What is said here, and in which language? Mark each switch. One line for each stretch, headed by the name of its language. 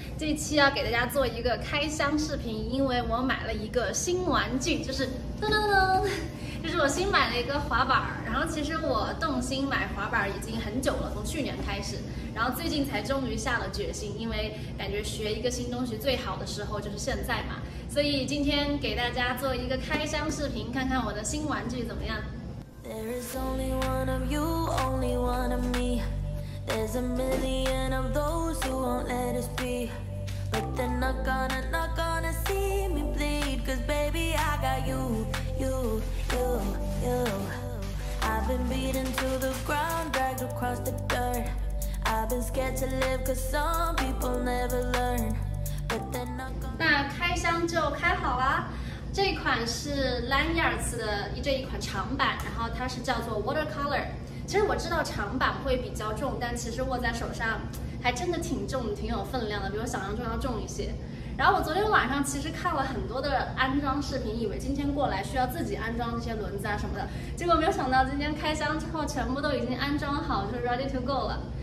Chinese: 这期要给大家做一个开箱视频，因为我买了一个新玩具，就是噔噔噔，就是我新买了一个滑板。然后其实我动心买滑板已经很久了，从去年开始，然后最近才终于下了决心，因为感觉学一个新东西最好的时候就是现在嘛。所以今天给大家做一个开箱视频，看看我的新玩具怎么样。
English: There is only one of you, only one of me. There's a million of those who won't let us be. But they're not gonna see me bleed. Cause baby, I got you, you, you, you. I've been beaten to the ground, dragged across the dirt. I've been scared to live cause some people never learn. But they're not gonna.
Chinese: 那开箱就开好了。这款是 Lanyards 的一款长板，然后它是叫做 Watercolor。其实我知道长板会比较重，但其实握在手上还真的挺重，挺有分量的，比我想象中要重一些。然后我昨天晚上其实看了很多的安装视频，以为今天过来需要自己安装这些轮子啊什么的，结果没有想到今天开箱之后全部都已经安装好，就是
English: ready to go
Chinese: 了。